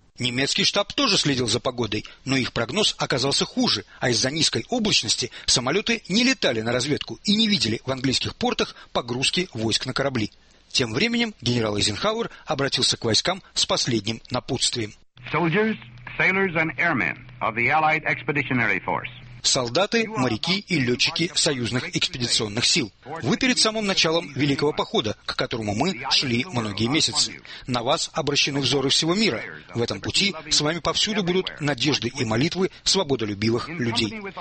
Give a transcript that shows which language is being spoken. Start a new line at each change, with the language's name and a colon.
Russian: Немецкий штаб тоже следил за погодой, но их прогноз оказался хуже, а из-за низкой облачности самолеты не летали на разведку и не видели в английских портах погрузки войск на корабли. Тем временем генерал Эйзенхауэр обратился к войскам с последним напутствием.
English: Soldiers, sailors and airmen of the Allied Expeditionary Force.
Russian: Солдаты, моряки и летчики союзных экспедиционных сил. Вы перед самым началом великого похода, к которому мы шли многие месяцы. На вас обращены взоры всего мира. В этом пути с вами повсюду будут надежды и молитвы свободолюбивых людей.